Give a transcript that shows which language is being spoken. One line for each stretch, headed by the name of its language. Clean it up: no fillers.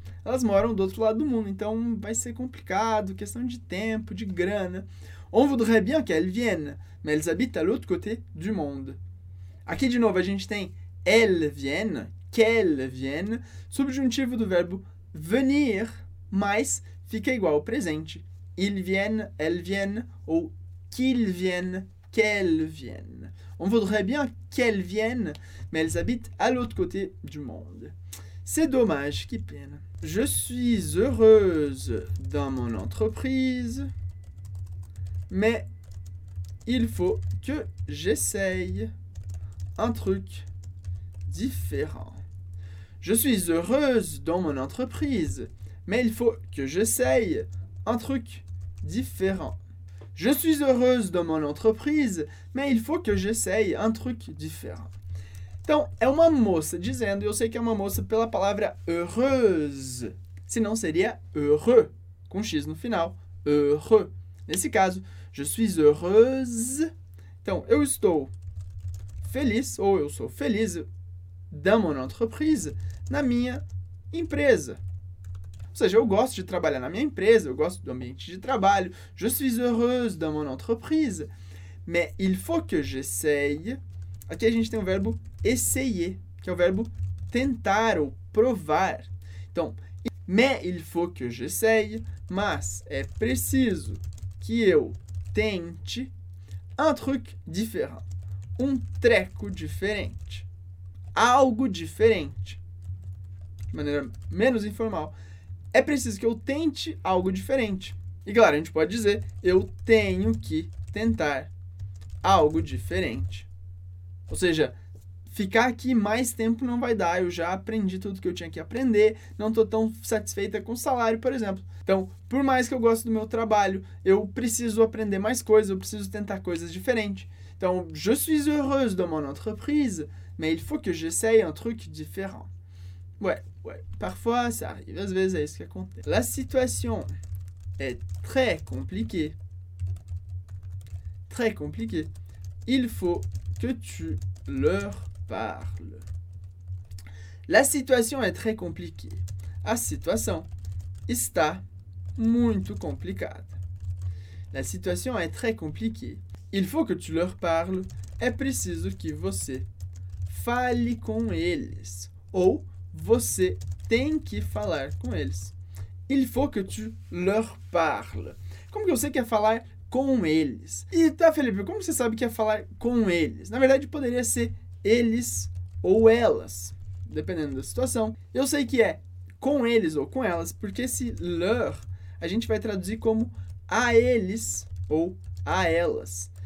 Portuguese: elas moram do outro lado do mundo, então vai ser complicado, questão de tempo, de grana.
French: On voudrait bien qu'elles viennent, mais elles habitent à l'autre côté du monde.
Portuguese: Aqui de novo a gente tem
French: elles viennent, qu'elles viennent,
Portuguese: subjuntivo do verbo venir, mas fica igual ao presente.
French: Ils viennent, elles viennent ou qu'ils viennent, qu'elles viennent. On voudrait bien qu'elles viennent, mais elles habitent à l'autre côté du monde. C'est dommage, qui peine. Je suis heureuse dans mon entreprise, mais il faut que j'essaye un truc différent. Je suis heureuse dans mon entreprise, mais il faut que j'essaye un truc différent. Je suis heureuse dans mon entreprise, mais il faut que j'essaye un truc différent.
Portuguese: Então, é uma moça dizendo, eu sei que é uma moça pela palavra heureuse. Senão seria heureux, com X no final.
French: Heureux.
Portuguese: Nesse caso,
French: je suis heureuse.
Portuguese: Então, eu estou feliz, ou eu sou feliz,
French: dans mon entreprise,
Portuguese: na minha empresa. Ou seja, eu gosto de trabalhar na minha empresa, eu gosto do ambiente de trabalho.
French: Je suis heureuse dans mon entreprise. Mais il faut que j'essaye.
Portuguese: Aqui a gente tem o verbo essayer, que é o verbo tentar ou provar. Então,
French: mais il faut que j'essaye,
Portuguese: mas é preciso que eu tente
French: un truc différent,
Portuguese: um treco diferente, algo diferente, de maneira menos informal. É preciso que eu tente algo diferente. E claro, a gente pode dizer, eu tenho que tentar algo diferente. Ou seja, ficar aqui mais tempo não vai dar. Eu já aprendi tudo que eu tinha que aprender. Não estou tão satisfeita com o salário, por exemplo. Então, por mais que eu goste do meu trabalho, eu preciso aprender mais coisas. Eu preciso tentar coisas diferentes.
French: Então, je suis heureuse dans mon entreprise, mais il faut que j'essaye un truc différent. Ouais. Parfois, ça arrive.
Portuguese: Às vezes, é isso que acontece.
French: La situation est très compliquée. Très compliquée. Il faut que tu leur parles. La situation est très compliquée.
Portuguese: A situação está muito complicada.
French: La situation est très compliquée. Il faut que tu leur parles.
Portuguese: É preciso que você fale com eles. Ou você tem que falar com eles.
French: Il faut que tu leur parles.
Portuguese: Como que você quer falar com eles? E tá, Felipe, como você sabe que é falar com eles? Na verdade, poderia ser eles ou elas, dependendo da situação. Eu sei que é com eles ou com elas, porque esse leur a gente vai traduzir como a eles ou a elas.